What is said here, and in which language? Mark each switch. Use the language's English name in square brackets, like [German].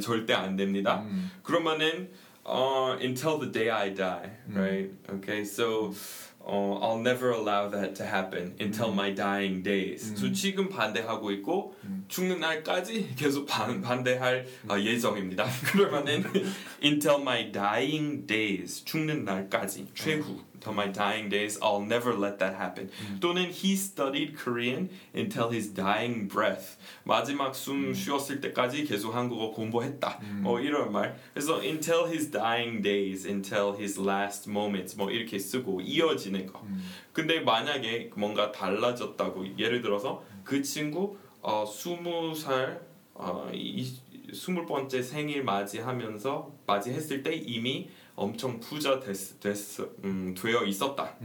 [Korean] 절대 안 됩니다. 그러면은 [English] until the day I die, right? Okay, so I'll never allow that to happen until my dying days. [Korean] So 지금 반대하고 있고 죽는 날까지 계속 반대할 예정입니다. 그러면은 [English] until my dying days, [Korean] 죽는 날까지 최후. [English] Until my dying days, I'll never let that happen. 또는 he studied Korean until his dying breath. [Korean] 마지막 숨 쉬었을 때까지 계속 한국어 공부했다. 뭐 이런 말. 그래서 [English] until his dying days, until his last moments. [Korean] 뭐 이렇게 쓰고 이어지는 거. 근데 만약에 뭔가 달라졌다고 예를 들어서 그 친구 20번째 생일 맞이하면서 맞이했을 때 이미 엄청 부자 되어 있었다.